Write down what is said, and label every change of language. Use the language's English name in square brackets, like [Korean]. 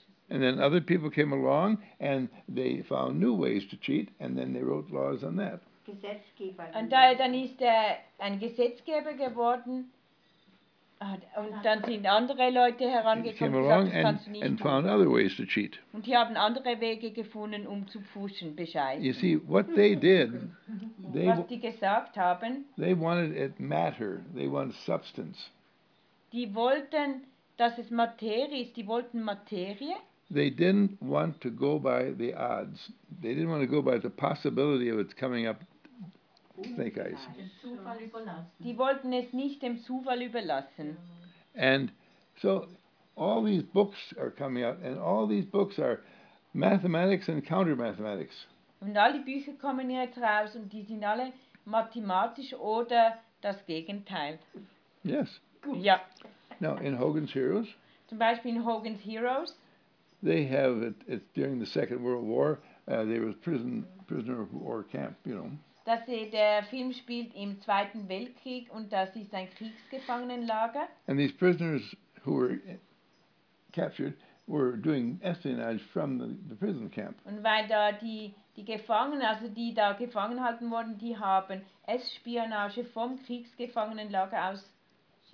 [English] And then other people came along and they found new ways to cheat and then they wrote laws on that. [German] Gesetzgeber. Und dann ist er ein Gesetzgeber geworden und dann sind andere Leute herangekommen und gesagt, das kannst du nicht [English] found other ways to cheat. [German] Und die haben andere Wege gefunden, um zu pfuschen, bescheiden. [English] You see, what they did, [German] was die gesagt haben, [English] they wanted it matter, they wanted substance. [German] Die wollten, dass es Materie ist, die wollten Materie. [English] They didn't want to go by the odds. They didn't want to go by the possibility of it coming up snake eyes. [German] Die wollten es nicht dem Zufall überlassen. [English] And so all these books are coming out, and all these books are mathematics and counter-mathematics. [German] Und all die Bücher kommen jetzt raus, und die sind alle mathematisch oder das Gegenteil. [English] Yes. [German] Gut. Ja. [English] Now, in Hogan's Heroes. [German] Zum Beispiel in Hogan's Heroes. [English] They have it during the Second World War. There was prisoner of war camp, you know. [German] Das der Film spielt im Zweiten Weltkrieg und das ist ein Kriegsgefangenenlager. [English] And these prisoners who were captured were doing espionage from the prison camp. [German] Und weil da die Gefangenen, also die da gefangen halten wurden, die haben Espionage vom Kriegsgefangenenlager aus gemacht.